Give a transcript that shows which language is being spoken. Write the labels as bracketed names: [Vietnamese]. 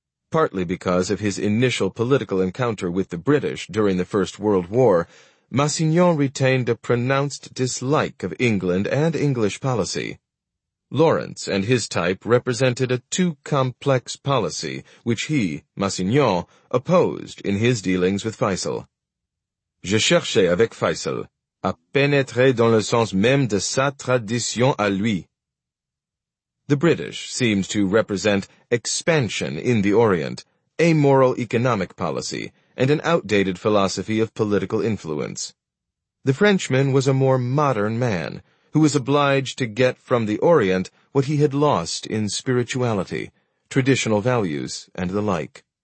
[English] Partly because of his initial political encounter with the British during the First World War, Massignon retained a pronounced dislike of England and English policy. Lawrence and his type represented a too complex policy, which he, Massignon, opposed in his dealings with Faisal. [French] Je cherchais avec Faisal, a pénétré dans le sens même de sa tradition à lui. [English] The British seemed to represent expansion in the Orient, amoral economic policy, and an outdated philosophy of political influence. The Frenchman was a more modern man, who was obliged to get from the Orient what he had lost in spirituality, traditional values, and the like.